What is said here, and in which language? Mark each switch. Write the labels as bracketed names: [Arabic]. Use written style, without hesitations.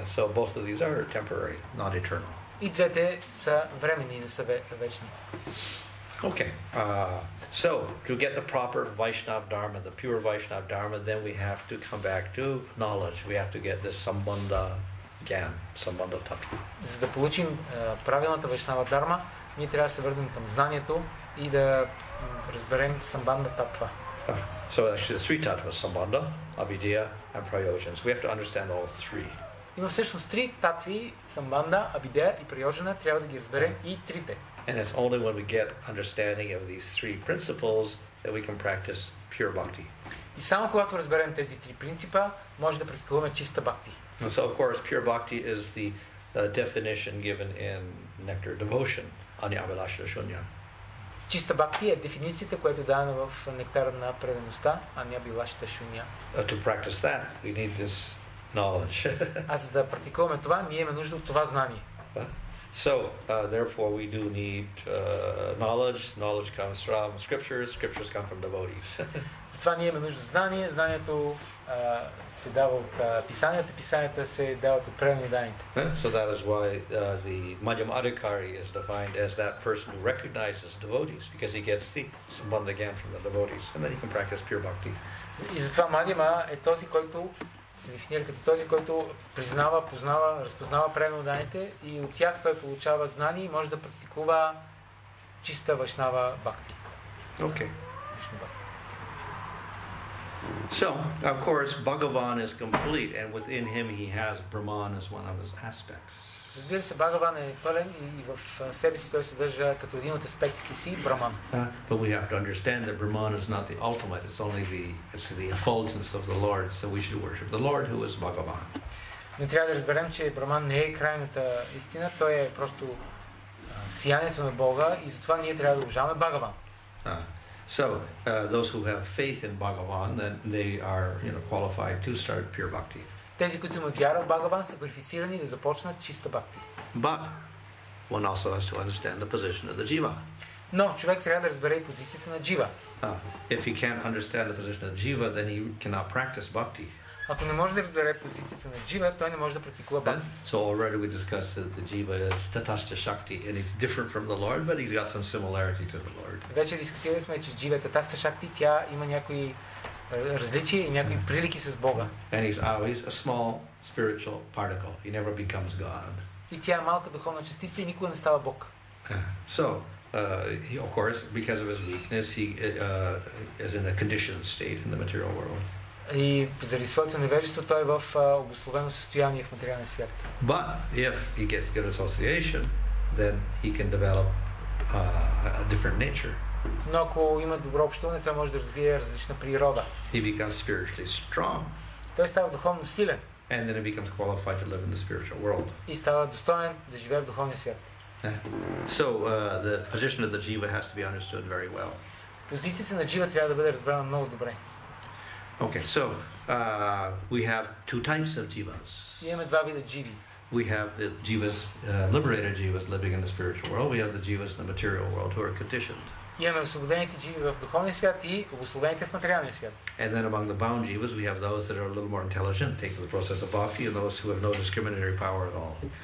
[English] So both of these are temporary, not eternal. [Bulgarian] И двете са временни, не са вечни. [English] Okay. So to get the proper Vaishnava Dharma, the pure Vaishnava Dharma, then we have to come back to knowledge. We have to get this sambandha again, Sambandha Tattva. [Bulgarian] За да получим правилната вайшнава дарма, ние трябва да се върнем към знанието и да разберем Sambandha Tattva. [English] So actually the three tattvas, Sambandha, Avidya and Prayojana. So we have to understand all three. [Bulgarian] Има всъщност три татви, Sambandha, Avidya и Prayojana, трябва да ги разберем и трите. [English] And it's only when we get understanding of these three principles that we can practice pure bhakti. [Bulgarian] И само когато разберем тези три принципа, може да практикуваме чиста бхакти. [English] So of course, pure bhakti is the definition given in Nectar Devotion, Anyabhilasha Shunya. [Bulgarian] Чиста бхакти е дефиницията, която е дадена в Нектара на преданността, Anyabhilasha Shunya. [English] To practice that, we need this knowledge. [Bulgarian] А за да практикуваме това, ние имаме нужда от това знание. [English] So, therefore, we do need knowledge. Knowledge comes from scriptures. Scriptures come from devotees. [Bulgarian] Затова ние имаме нужда от знание. Знанието се дава от писанията. Писанията се дават от преданите. [English] So that is why the Madhyama Adhikari is defined as that person who recognizes devotees, because he gets the Sambandha Gyan from the devotees, and then he can practice pure bhakti. [Bulgarian] И затова Мадхима е този, който се дефинира като този, който признава, познава, разпознава преданите и от тях той получава знание и може да практикува чиста вайшнава бхакти. [English] Okay. So, of course, Bhagavan is complete and within him he has Brahman as one of his aspects. [Bulgarian] Разбира се, Бхагаван е пълен и в себе си той съдържа като един от аспектите си Брахман. [English] But we have to understand that Brahman is not the ultimate, it's only the effulgence of the Lord, so we should worship the Lord who is Bhagavan. [Bulgarian] Но трябва да разберем, че Брахман не е крайната истина, той е просто сиянието на Бога и затова ние трябва да обожаваме Бхагаван. [English] So, those who have faith in Bhagavan, then they are, you know, qualified to start pure bhakti. [Bulgarian] Тези, които имат вяра в Бхагаван, са квалифицирани да започнат чиста бхакти. [English] But one also has to understand the position of the jiva. [Bulgarian] Но човек трябва да разбере позицията на джива. [English] If he can't understand the position of the jiva, then he cannot practice bhakti. [Bulgarian] Ако не може да разбере позицията на джива, той не може да практикува бхакти. [English] So already we discussed that the jiva is tatastha shakti and it's different from the Lord, but he's got some similarity to the Lord. [Bulgarian] Вече дискутирахме, че джива е tatastha shakti, тя има някои различия и някои прилики с Бога. [English] And he's always a small spiritual particle. He never becomes God. [Bulgarian] И тя е малка духовна частица и никога не става Бог. [English] So, he, of course, because of his weakness, he is in a conditioned state in the material world. [Bulgarian] И заради своето невежество той е в обусловено състояние в материалния свят. [English] But if he gets good association, then he can develop a different nature. [Bulgarian] Но ако има добро общуване, той може да развие различна природа. [English] He becomes spiritually strong. [Bulgarian] Той става духовно силен. [English] And then he becomes qualified to live in the spiritual world. [Bulgarian] И става достоен да живее в духовния свят. [English] So the position of the jiva has to be understood very well. [Bulgarian] Позицията на джива трябва да бъде разбрана много добре. [English] Okay, so we have two types of jivas. [Bulgarian] Имаме два вида дживи. [English] We have the jivas, liberated jivas living in the spiritual world. We have the jivas in the material world who are conditioned. [Bulgarian] Имаме освободените живи в духовния свят и обусловените в материалния свят. [English] And then among the bound jivas, we have those that are a little more intelligent, take the process of bhakti, and those who have no discriminatory power at all.